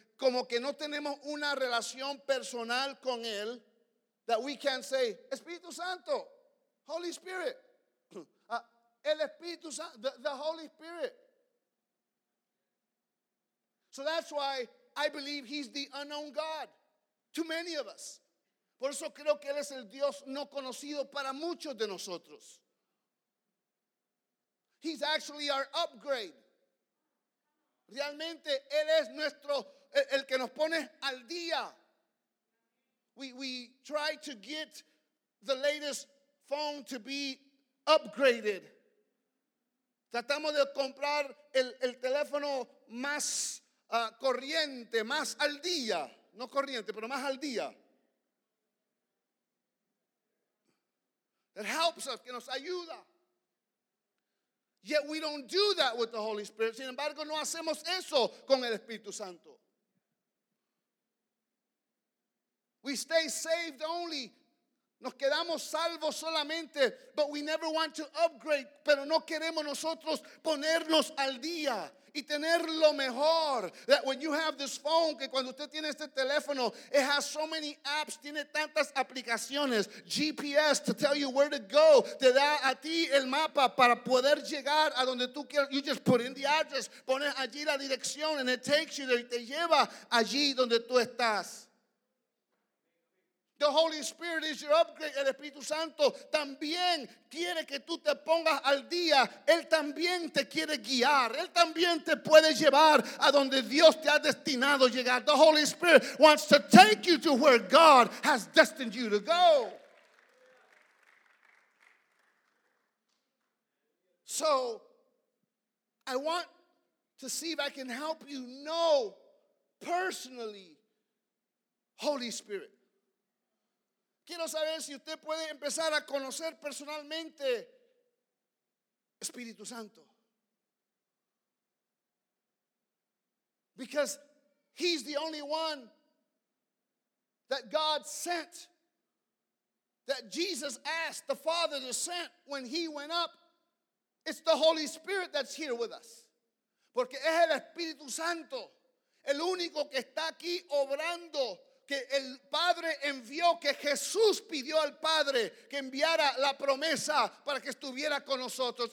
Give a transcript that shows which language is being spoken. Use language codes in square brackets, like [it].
[es] Como que no tenemos una relación personal con él, [en] that we can say, [es] Espíritu Santo, Holy Spirit, el Espíritu Santo, the Holy Spirit. [en] So that's why I believe he's the unknown God to many of us. [es] Por eso creo que él es el Dios no conocido para muchos de nosotros. [en] He's actually our upgrade. [es] Realmente él es nuestro, el que nos pone al día. [en] We try to get the latest phone to be upgraded. [es] Tratamos de comprar el teléfono más corriente, más al día. No corriente, pero más al día. [en] It helps us, [es] que nos ayuda. [en] Yet we don't do that with the Holy Spirit. [es] Sin embargo, no hacemos eso con el Espíritu Santo. [en] We stay saved only. [es] Nos quedamos salvos solamente. [en] But we never want to upgrade. [es] Pero no queremos nosotros ponernos al día y tener lo mejor. [en] That when you have this phone, [es] que cuando usted tiene este teléfono, [en] it has so many apps, [es] tiene tantas aplicaciones, [en] GPS to tell you where to go, [es] te da a ti el mapa para poder llegar a donde tú quieras. [en] You just put in the address, [es] pones allí la dirección, [en] and it takes you there, [es] y te lleva allí donde tú estás. [en] The Holy Spirit is your upgrade. [es] El Espíritu Santo también quiere que tú te pongas al día. Él también te quiere guiar. Él también te puede llevar a donde Dios te ha destinado llegar. [en] The Holy Spirit wants to take you to where God has destined you to go. So, I want to see if I can help you know personally Holy Spirit. [es] Quiero saber si usted puede empezar a conocer personalmente Espíritu Santo. [en] Because he's the only one that God sent, that Jesus asked the Father to send when he went up. It's the Holy Spirit that's here with us. [es] Porque es el Espíritu Santo, el único que está aquí obrando, que el Padre envió, que Jesús pidió al Padre que enviara la promesa para que estuviera con nosotros.